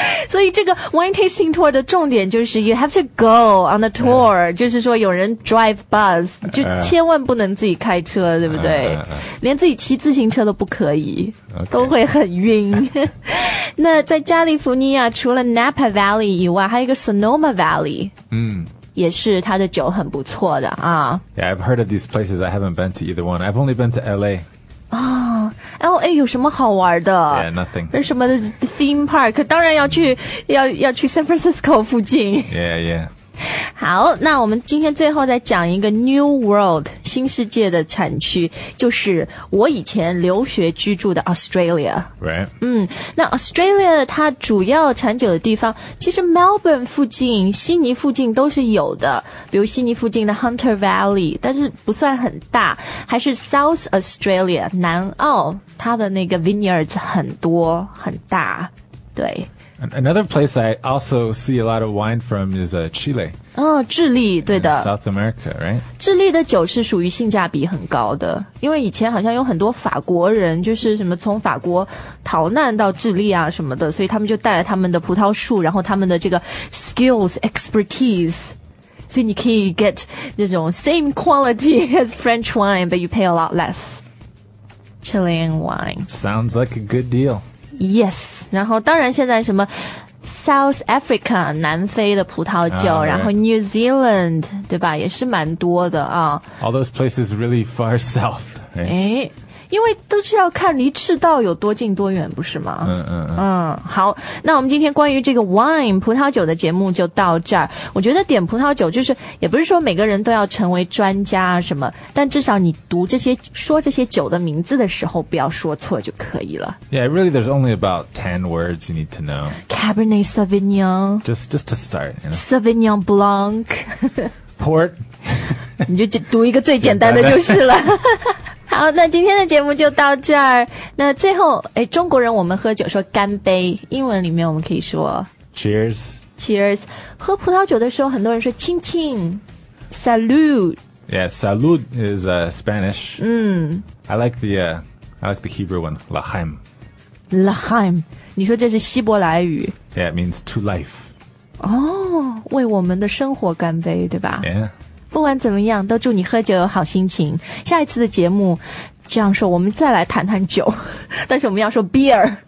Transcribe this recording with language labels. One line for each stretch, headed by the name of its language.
Chinese: 所以这个 wine tasting tour 的重点就是
English: you have to go on the tour,、
Chinese: 就是说有人 drive bus, 就千万不能自己开车、对不对、连自己骑自行车都不可以、都会很晕。那在加利福尼亚除了 Napa Valley 以外还有一个 Sonoma Valley。也是它的酒很不错的啊。
English: Yeah, I've heard of these places. I haven't been to either one. I've only been to LA.
Chinese: LA 有什么好玩的
English: ？Yeah, nothing.
Chinese: 那什么 theme park? 当然要去，要去 San Francisco 附近。
English: Yeah, yeah.
Chinese: 好，那我们今天最后再讲一个 New World 新世界的产区，就是我以前留学居住的 Australia。
English: Right.
Chinese: 嗯，那 Australia 它主要产酒的地方，其实 Melbourne 附近、悉尼附近都是有的，比如悉尼附近的 Hunter Valley， 但是不算很大，还是 South Australia 南澳，它的那个 vineyards 很多很大，对。
English: Another place I also see a lot of wine from is Chile.
Chinese: Oh, 智利，对的。
English: South America, right?
Chinese: 智利的酒是属于性价比很高的，因为以前好像有很多法国人，就是什么从法国逃难到智利啊什么的，所以他们就带了他们的葡萄树，然后他们的这个 skills, expertise. 所以你可以
English: get 那种 same quality as French wine, but you pay a lot less. Chilean wine. Sounds like a good deal.
Chinese: Yes, 然后当然现在什么 South Africa, 南非的葡萄酒、
English: right.
Chinese: 然后 New Zealand, 对吧也是蛮多的啊。
English: All those places really far south, right?
Chinese: 诶因为都是要看离赤道有多近多远不是吗嗯嗯、嗯。好那我们今天关于这个 wine, 葡萄酒的节目就到这儿。我觉得点葡萄酒就是也不是说每个人都要成为专家什么但至少你读这些说这些酒的名字的时候不要说错就可以了。
English: Yeah, really there's only about 10 words you need to know. Cabernet Sauvignon. Just to start. You know? Sauvignon Blanc. Port.
Chinese: 你就读一个最简单的就是了。好那今天的节目就到这儿那最后诶中国人我们喝酒说干杯英文里面我们可以说
English: Cheers
Chinese: Cheers 喝葡萄酒的时候很多人说亲亲 Salud
English: Yeah, salud is Spanish、
Chinese: 嗯、
English: I like the Hebrew one Lachaim
Chinese: Lachaim 你说这是希伯来语
English: Yeah, it means to life
Chinese: 哦、oh, 为我们的生活干杯对吧
English: Yeah
Chinese: 不管怎么样都祝你喝酒有好心情下一次的节目这样说我们再来谈谈酒但是我们要说 beer